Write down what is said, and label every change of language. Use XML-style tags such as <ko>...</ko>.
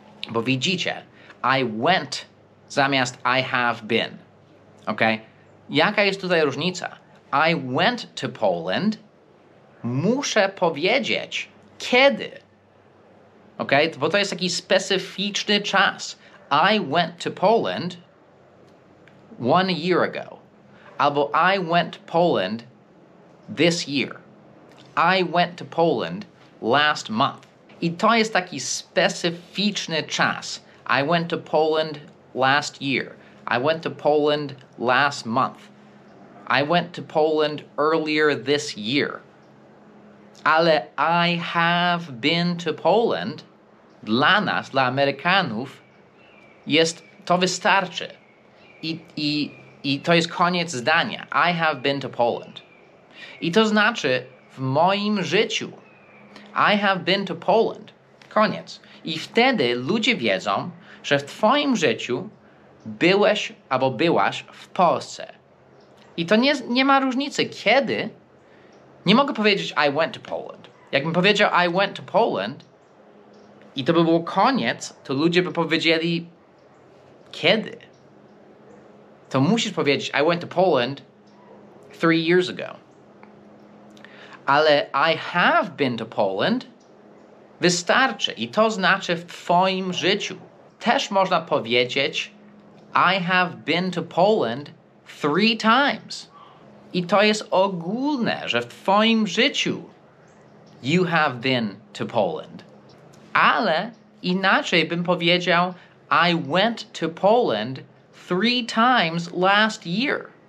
<pl>Bo widzicie,</pl> <en>I went zamiast I have been. Ok?</en> <pl>Jaka jest tutaj różnica?</pl> <en>I went to Poland,</en> <pl>muszę powiedzieć kiedy. Ok? Bo to jest taki specyficzny czas.</pl> <en>I went to Poland 1 year ago. Albo I went to Poland this year. I went to Poland last month.</en> <pl>I to jest taki specyficzny czas.</pl> <en>I went to Poland last year. I went to Poland last month. I went to Poland earlier this year.</en> <pl>Ale</pl> <en>I have been to Poland</en> <pl>dla nas, dla Amerykanów, jest, to wystarczy. I to jest koniec zdania.</pl> <en>I have been to Poland.</en> <pl>I to znaczy w moim życiu.</pl> <en>I have been to Poland.</en> <pl>Koniec. I wtedy ludzie wiedzą, że w twoim życiu byłeś albo byłaś w Polsce. I to nie ma różnicy kiedy. Nie mogę powiedzieć</pl> <en>I went to Poland.</en> <pl>Jakbym powiedział</pl> <en>I went to Poland</en> <pl>i to by było koniec, to ludzie by powiedzieli kiedy. To musisz powiedzieć</pl> <en>I went to Poland 3 years ago. Ale I have been to Poland wystarczy.</en> <pl>I to znaczy w twoim życiu. Też można powiedzieć</pl> <en>I have been to Poland 3 times.</en> <pl>I to jest ogólne, że w twoim życiu</pl> <en>you have been to Poland.</en> <pl>Ale inaczej bym powiedział</pl> <en>I went to Poland 3 times last year.</en>